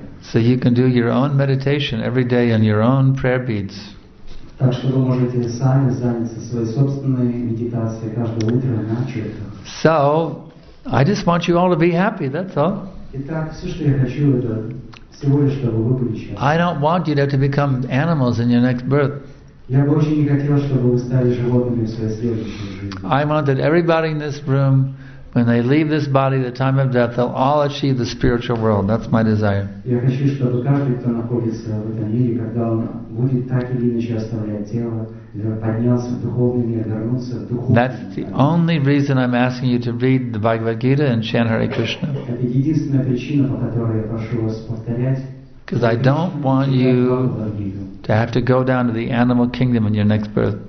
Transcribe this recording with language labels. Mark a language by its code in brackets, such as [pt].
[en] So you can do your own meditation every day on your own prayer beads. [ru] Так что вы можете сами заняться своей собственной медитацией каждое утро на чём-то. [en] So, I just want you all to be happy, that's all. [ru] Итак, всё, что я хочу, это всего лишь, чтобы вы были счастливы. [en] I don't want you to become animals in your next birth. [ru] Я бы очень не хотел, чтобы вы стали животными в своей следующей жизни. [en] I want that everybody in this room, when they leave this body at the time of death, they'll all achieve the spiritual world. That's my desire. [ru] Я хочу, чтобы каждый, кто находится в этом мире, когда он будет так или иначе оставлять тело, поднялся в духовный мир, вернулся в духовный мир. [en] That's the only reason I'm asking you to read the Bhagavad Gita and chant Hare Krishna. [ru] Это единственная причина, по которой я прошу вас повторять. [en] Because I don't want you to have to go down to the animal kingdom in your next birth.